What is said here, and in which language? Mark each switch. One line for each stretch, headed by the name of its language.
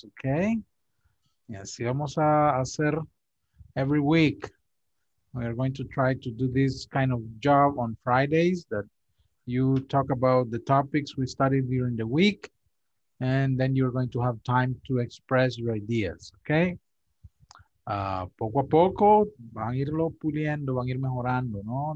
Spanish: Okay. Y así vamos a hacer
English: every week. We are going to try to do this kind of job on Fridays, that you talk about the topics we studied during the week, and then you're going to have time to express your ideas, okay?
Spanish: Poco a poco van a irlo puliendo, van a ir mejorando, ¿no?